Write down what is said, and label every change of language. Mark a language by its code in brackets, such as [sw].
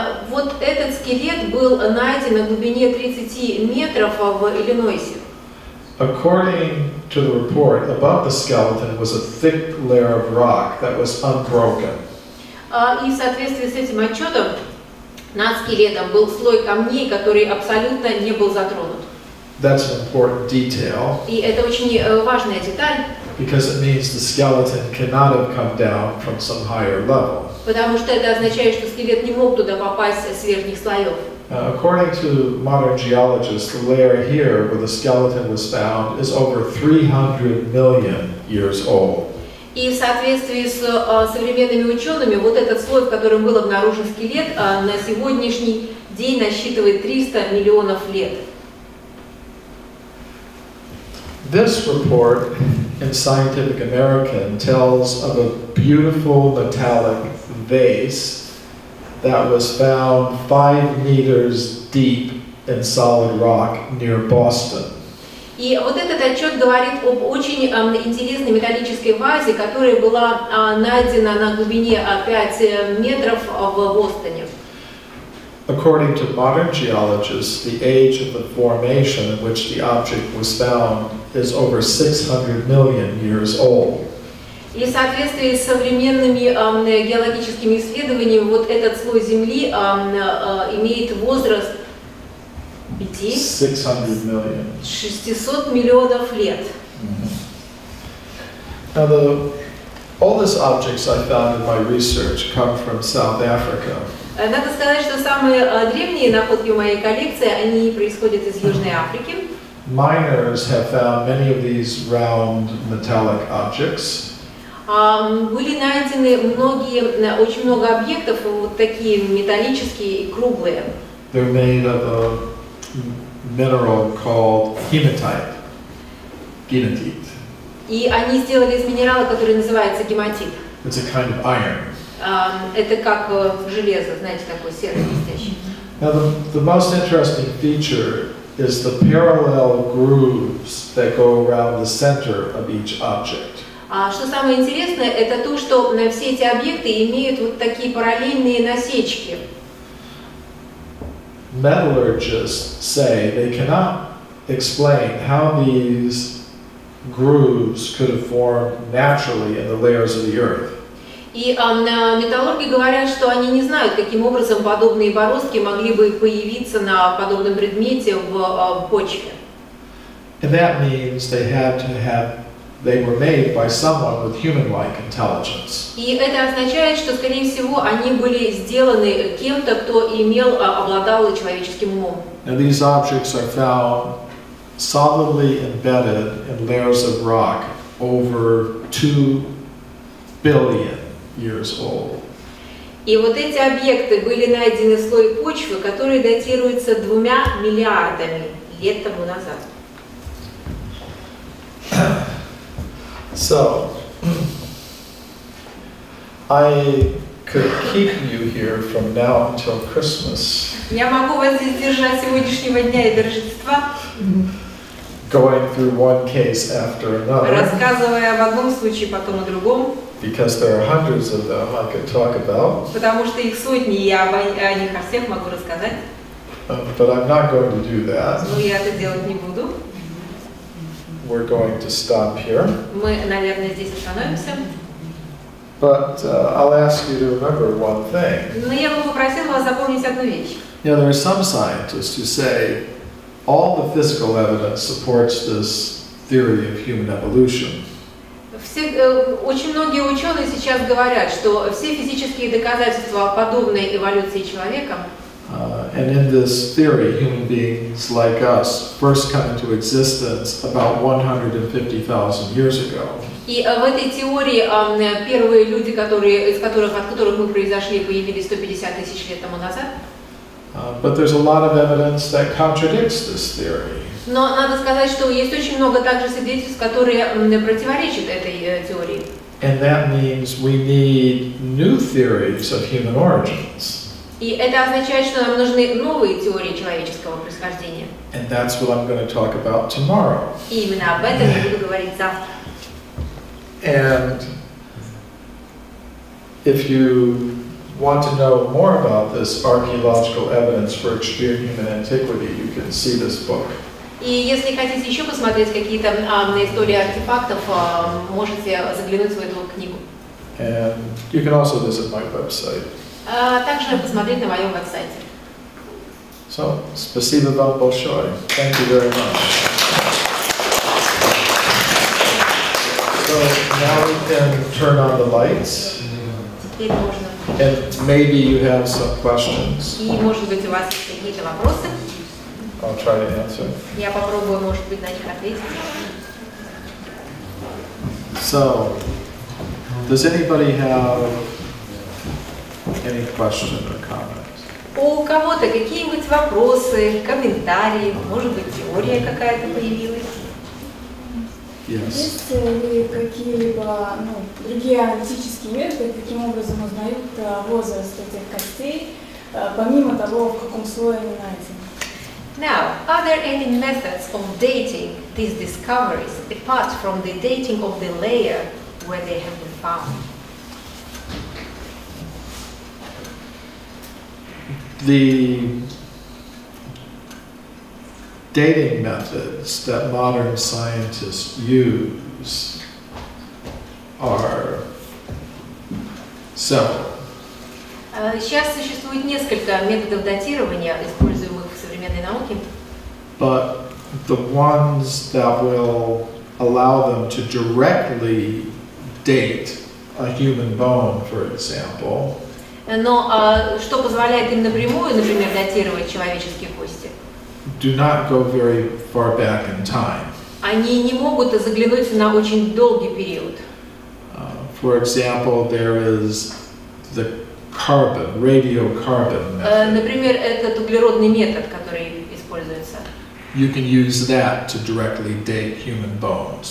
[ru] Вот этот скелет был найден на глубине 30 метров в Иллинойсе. [en] According to the report, above the skeleton was a thick layer of rock that was unbroken. [ru] И в соответствии с этим отчетом, над скелетом был слой камней, который абсолютно не был затронут. [en] That's an important detail. [ru] И это очень важная деталь. [en] Because it means the skeleton cannot have come down from some higher level. [ru] Потому что это означает, что скелет не мог туда попасть с верхних слоев. [en] According to modern geologists, the layer here where the skeleton was found is over 300 million years old. [ru] И в соответствии с современными учеными, вот этот слой, в котором был обнаружен скелет, на сегодняшний день насчитывает 300 миллионов лет. [en] This report in Scientific American tells of a beautiful metallic vase that was found 5 meters deep in solid rock near Boston. [ru] И вот этот отчет говорит об очень интересной металлической вазе, которая была найдена на глубине 5 метров в Бостоне. [en] According to modern geologists, the age of the formation in which the object was found is over 600 million years old. [ru] И в соответствии с современными геологическими исследованиями, вот этот слой земли имеет возраст 600 миллионов лет. [en] Now all these objects I found in my research come from South Africa. [ru] Надо сказать, что самые древние находки в моей коллекции, они происходят из Южной Африки. [en] Miners have found many of these round metallic objects. [ru] Были найдены очень много объектов, вот такие металлические и круглые. [en] They're made of a mineral called hematite. Гематит. [ru] И они сделали из минерала, который называется гематит. [en] It's a kind of iron. [ru] Это как железо, знаете, такое серое блестящее. [en] Now the most interesting feature is the parallel grooves that go around the center of each object. [ru] Что самое интересное, это то, что все эти объекты имеют вот такие параллельные насечки. [en] Metallurgists say they cannot explain how these grooves could have formed naturally in the layers of the earth. [ru] И металлурги говорят, что они не знают, каким образом подобные бороздки могли бы появиться на подобном предмете в почве. [en] And that means they had to have, they were made by someone with human-like intelligence. [ru] И это означает, что, скорее всего, они были сделаны кем-то, кто обладал человеческим умом. [en] And these objects are found solidly embedded in layers of rock over 2 billion. Years old. [ru] И вот эти объекты были найдены в слое почвы, который датируется 2 миллиардами лет тому назад. [en] So, I could keep you here from now until Christmas. [ru] Я могу вас здесь держать сегодняшнего дня и до Рождества. [en] Going through one case after another. [ru] Рассказывая об одном случае, потом о другом. [en] Because there are hundreds of them I could talk about. [ru] Потому что их сотни, и я о них о всех могу рассказать. [en] But I'm not going to do that. [ru] Но я это делать не буду. [en] We're going to stop here. [ru] Мы, наверное, здесь остановимся. [en] But I'll ask you to remember one thing. [ru] Но я бы попросила вас запомнить одну вещь. [en] Yeah, there are some scientists who say all the physical evidence supports this theory of human evolution. [ru] Очень многие ученые сейчас говорят, что все физические доказательства подобной эволюции человека. [en] And in this theory, human beings like us first come into existence about 150,000 years ago. [ru] И в этой теории первые люди, от которых мы произошли, появились 150 тысяч лет тому назад. [en] But there's a lot of evidence that contradicts this theory. [ru] Но надо сказать, что есть очень много также свидетельств, которые противоречат этой теории. [en] And that means we need new theories of human origins. [ru] И это означает, что нам нужны новые теории человеческого происхождения. [en] And that's what I'm going to talk about tomorrow. [ru] И именно об этом я буду говорить завтра. [en] And if you want to know more about this archaeological evidence for extreme human antiquity, you can see this book. [ru] И если хотите еще посмотреть какие-то на истории артефактов, можете заглянуть в эту книгу. [en] And you can also visit my website. [ru] Также посмотреть на моем веб-сайте. [en] So, [ru] спасибо вам большое. [en] Thank you very much. So, now we can turn on the lights. [ru] Теперь можно. [en] And maybe you have some questions. [ru] И, может быть, у вас какие-то вопросы? [en] I'll try to answer. [ru] Я попробую, может быть, на них ответить. [en] So, does anybody have any question or comment? [ru] У кого-то какие-нибудь вопросы, комментарии, может быть, теория какая-то появилась? [en] Yes. [ru] Есть ли какие-либо, ну, другие антические методы, каким образом узнают возраст этих костей, помимо того, в каком слое они найдены? [en] Now, are there any methods of dating these discoveries apart from the dating of the layer where they have been found? The dating methods that modern scientists use are several. [ru] Сейчас существует несколько методов датирования, используемых в современной науке. [en] But the ones that will allow them to directly date a human bone, for example. [ru] Но что позволяет им напрямую, например, датировать человеческие кости? [en] Do not go very far back in time. [ru] Они не могут заглянуть на очень долгий период. [en] For example, there is the carbon, radiocarbon method. [ru] Например, этот углеродный метод, который используется. [en] You can use that to directly date human bones.